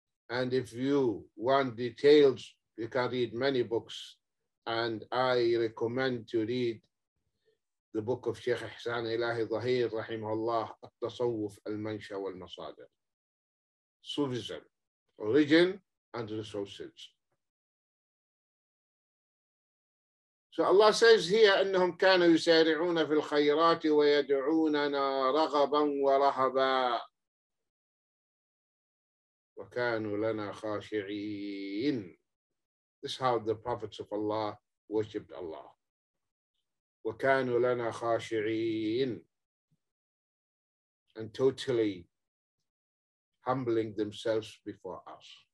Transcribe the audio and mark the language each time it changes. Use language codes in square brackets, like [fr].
[en] And if you want details, you can read many books. And I recommend to read the book of Shaykh Ihsan Ilahi Zahir, Rahimahullah, At-Tasawwuf Al-Mansha Wal-Masadir. Sufism, origin and resources. So Allah says here, [ar] أنهم كانوا يسارعون في الخيرات ويدعوننا رغبا ورهبا وكانوا لنا خاشعين. [en] This is how the prophets of Allah worshipped Allah. [ar] وَكَانُوا لَنَا خَاشِعِينَ, [en] and totally humbling themselves before us.